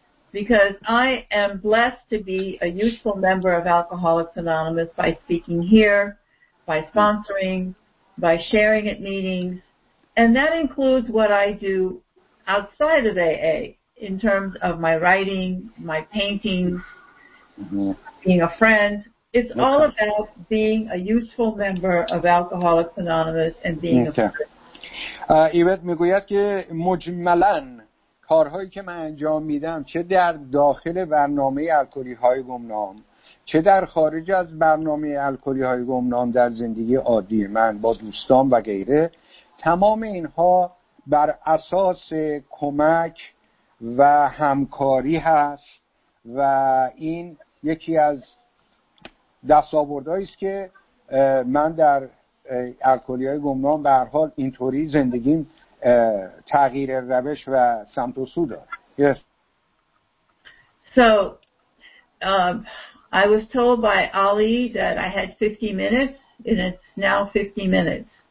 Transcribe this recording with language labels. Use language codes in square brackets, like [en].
[en] Because I am blessed to be a useful member of Alcoholics Anonymous by speaking here, by sponsoring, by sharing at meetings. And that includes what I do outside of AA in terms of my writing, my painting, being a friend. It's okay. All about being a useful member of Alcoholics Anonymous and being okay. A friend. [fa] ایبت میگوید که مجملاً کارهایی که من انجام میدم چه در داخل برنامه الکلی های گمنام چه در خارج از برنامه الکلی های گمنام در زندگی عادی من با دوستان و غیره تمام اینها بر اساس کمک و همکاری هست و این یکی از دستاوردهایی است که من در الکلی های گمنام به هر حال اینطوری زندگیم تغییر روش و سمت و سو داره. [en] Yes. So I was told by Ali that I had 50 minutes and it's now 50 minutes.